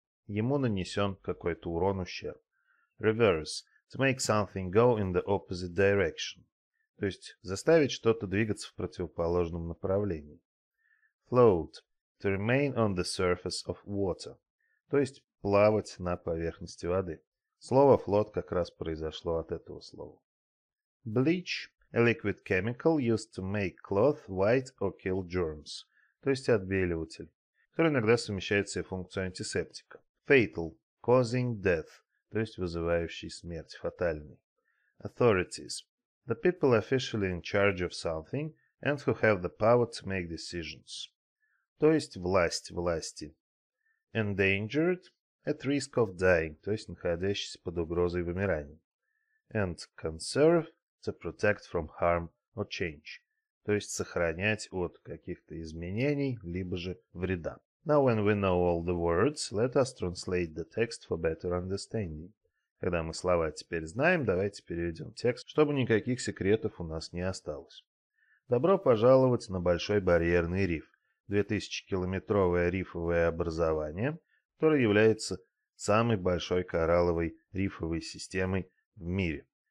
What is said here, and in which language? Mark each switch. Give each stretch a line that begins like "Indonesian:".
Russian: Ему нанесен какой-то урон, ущерб.
English: Reverse, to make something go in the opposite direction.
Russian: То есть заставить что-то двигаться в противоположном направлении.
English: Float, to remain on the surface of water.
Russian: То есть плавать на поверхности воды. Слово float как раз произошло от этого слова.
English: Bleach, a liquid chemical used to make cloth white or kill germs.
Russian: То есть отбеливатель, который иногда совмещается и функцию антисептика.
English: Fatal, causing death,
Russian: то есть вызывающий смерть, фатальный.
English: Authorities, the people officially in charge of something and who have the power to make decisions.
Russian: То есть власть, власти.
English: Endangered, at risk of dying,
Russian: то есть находящийся под угрозой вымирания.
English: And conserve, to protect from harm or change,
Russian: то есть сохранять от каких-то изменений, либо же вреда.
English: Now when we know all the words, let us translate the text for better understanding.
Russian: Когда мы слова теперь знаем, давайте переведем текст, чтобы никаких секретов у нас не осталось. Добро пожаловать на Большой Барьерный Риф, 2000-километровое рифовое образование, которое является самой большой коралловой рифовой системой в мире.